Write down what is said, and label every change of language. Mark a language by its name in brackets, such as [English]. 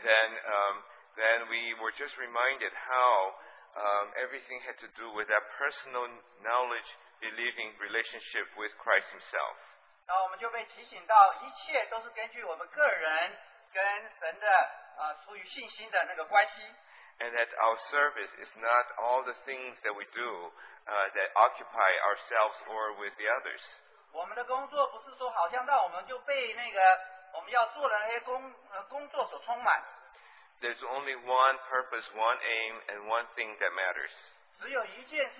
[English] then we were just reminded how everything had to do with that personal knowledge, believing relationship with Christ Himself. [Chinese] 然后我们就被提醒到，一切都是根据我们个人跟神的出于信心的那个关系。 [English] And that our service is not all the things that we do that occupy ourselves or with the others. [Chinese] 我们的工作不是说好像到我们就被那个我们要做的那些工作所充满。 [English] There's only one purpose, one aim, and one thing that matters.